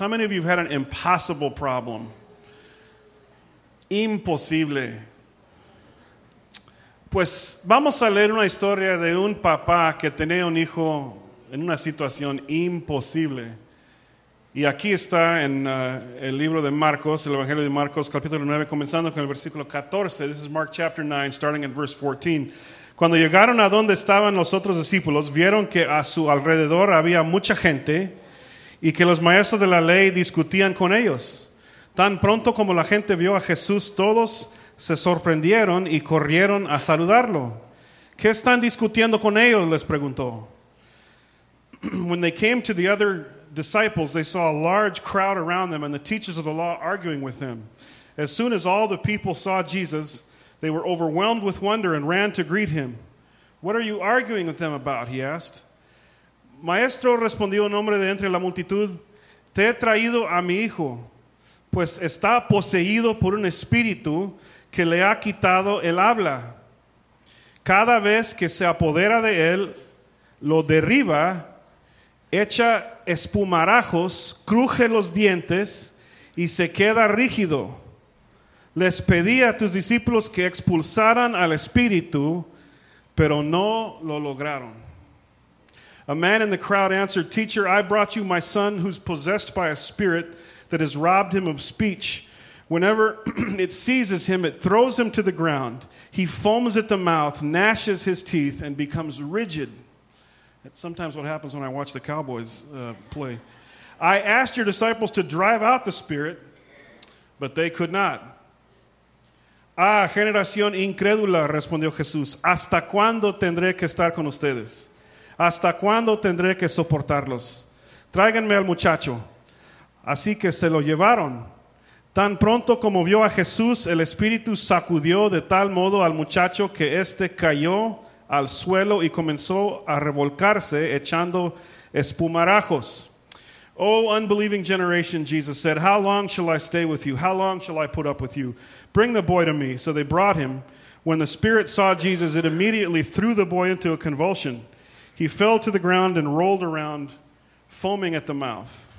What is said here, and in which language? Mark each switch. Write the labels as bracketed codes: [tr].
[en] How many of you have had an impossible problem? [es] Imposible. Pues vamos a leer una historia de un papá que tenía un hijo en una situación imposible. Y aquí está en el libro de Marcos, el Evangelio de Marcos, capítulo 9, comenzando con el versículo 14. [en] This is Mark chapter 9, starting at verse 14. [es] Cuando llegaron a donde estaban los otros discípulos, vieron que a su alrededor había mucha gente y que los maestros de la ley discutían con ellos. Tan pronto como la gente vio a Jesús, todos se sorprendieron y corrieron a saludarlo. ¿Qué están discutiendo con ellos? Les preguntó. [en] When they came to the other disciples, they saw a large crowd around them and the teachers of the law arguing with them. As soon as all the people saw Jesus, they were overwhelmed with wonder and ran to greet him. What are you arguing with them about? He asked. [es] Maestro, respondió un hombre de entre la multitud, te he traído a mi hijo, pues está poseído por un espíritu que le ha quitado el habla. Cada vez que se apodera de él, lo derriba, echa espumarajos, cruje los dientes y se queda rígido. Les pedí a tus discípulos que expulsaran al espíritu, pero no lo lograron. [en] A man in the crowd answered, Teacher, I brought you my son who's possessed by a spirit that has robbed him of speech. Whenever it seizes him, it throws him to the ground. He foams at the mouth, gnashes his teeth, and becomes rigid. That's sometimes what happens when I watch the Cowboys play. I asked your disciples to drive out the spirit, but they could not. [es] Ah, generación incrédula, respondió Jesús. ¿Hasta cuándo tendré que estar con ustedes? ¿Hasta cuándo tendré que soportarlos? Tráiganme al muchacho. Así que se lo llevaron. Tan pronto como vio a Jesús, el espíritu sacudió de tal modo al muchacho que éste cayó al suelo y comenzó a revolcarse echando espumarajos. [en] Oh, unbelieving generation, Jesus said, how long shall I stay with you? How long shall I put up with you? Bring the boy to me. So they brought him. When the spirit saw Jesus, it immediately threw the boy into a convulsion. He fell to the ground and rolled around, foaming at the mouth.